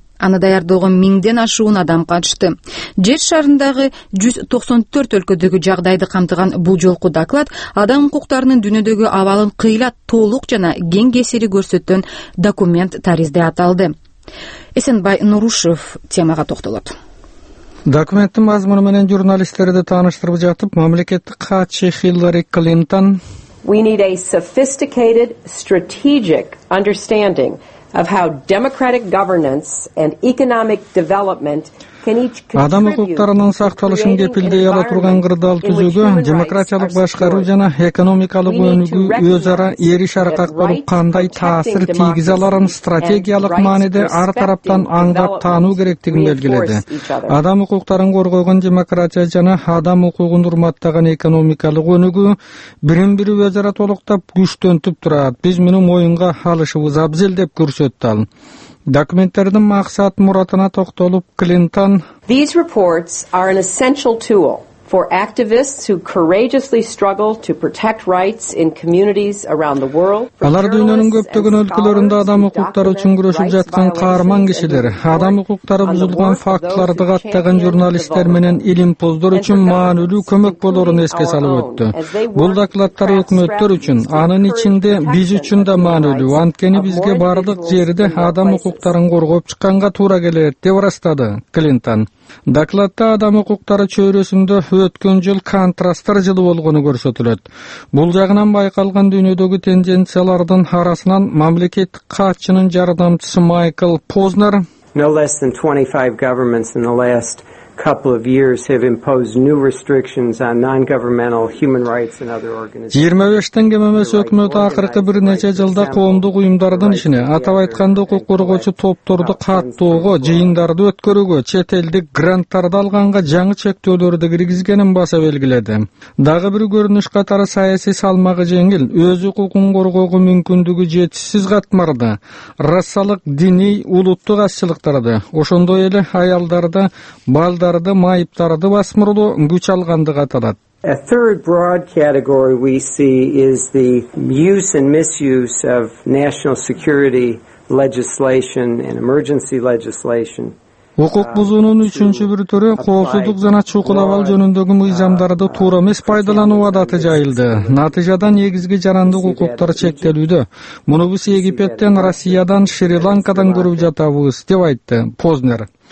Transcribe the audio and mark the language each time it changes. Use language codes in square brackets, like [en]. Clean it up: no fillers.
[ky] Аны даярдоого миңден ашуун адам катышты. Жер шарындагы 194 өлкөдөгү жагдайды камтыган бул жолку доклад адам укуктарынын дүйнөдөгү абалын кыйла толук жана кең кесири көрсөткөн документ таризде аталды. Эсенбай Нурушев темага токтолот. Документтин мазмуну менен журналисттерди тааныштырып жатып, мамлекеттик катчы Хиллари Клинтон [en] We need a sophisticated, strategic understanding of how democratic governance and economic development can each contribute. [ky] Адам укуктарынын сакталышын кепилдей ала турган кырдаал түзүүгө демократиялык башкаруу жана экономикалык өнүгүү өз ара эриш аракат болуп кандай таасир тийгизе аларын стратегиялык мааниде ар тараптан аңдап таануу керектигин белгиледи. Адам укуктарын коргогон демократия жана адам укугун урматтаган экономикалык өнүгүү бирин бири өз ара толуктап күчтөнтүп турат. Биз муну моюнга алышыбыз абзел деп көрсөттү ал. Документтердин максат муратына токтолуп, Клинтон [en] These reports are an essential tool for activists who courageously struggle to protect rights in communities around the world. [ky] Алар дүйнөнүн көптөгөн өлкөлөрүндө адам укуктары үчүн күрөшүп жаткан каарман кишилер, адам укуктары бузулган фактыларды каттаган журналисттер менен илимпоздор үчүн маанилүү көмөк болорун эске салып өттү. Бул докладтар өкмөттөр үчүн, анын ичинде биз үчүн да маанилүү, анткени бизге бардык жерде адам укуктарын коргоп чыкканга туура келет, деп ырастады Клинтон. Докладта адам укуктары чөйрөсүндө өткөн жыл контрасттар жылы болгону көрсөтүлөт. Бул жагынан байкалган дүйнөдөгү тенденциялардын арасынан мамлекеттик катчынын жардамчысы Майкл Познер [en] No less than 25 governments in the last couple of years have imposed new restrictions on non-governmental human rights and other organizations. [ky] 25тен кем эмес өкмөт акыркы бир нече жылда коомдук уюмдардын ишине, атап айтканда укук коргоочу топторду каттоого, жыйындарды өткөрүүгө, чет элдик гранттарды алганга жаңы чектөөлөрдү киргизгенин баса белгиледи. Дагы бир көрүнүш катары саясий салмагы жеңил, өз укугун коргоого мүмкүндүгү жетишсиз катмарды, расалык, диний, улуттук азчылыктарды, ошондой эле аялдарды алдарды майыптарды басмырлоо күч алгандыгы аталат. [en] A third broad category we see is the use and misuse of national security legislation and emergency legislation. [ky] Укук бузуунун үчүнчү бир түрү коопсуздук жана чукул абал жөнүндөгү мыйзамдарды туура эмес пайдалануу адаты жайылды. Натыйжада негизги жарандык укуктар чектелүүдө. Муну биз Египеттен, Россиядан, Шри-Ланкадан көрүп жатабыз, деп айтты Познер.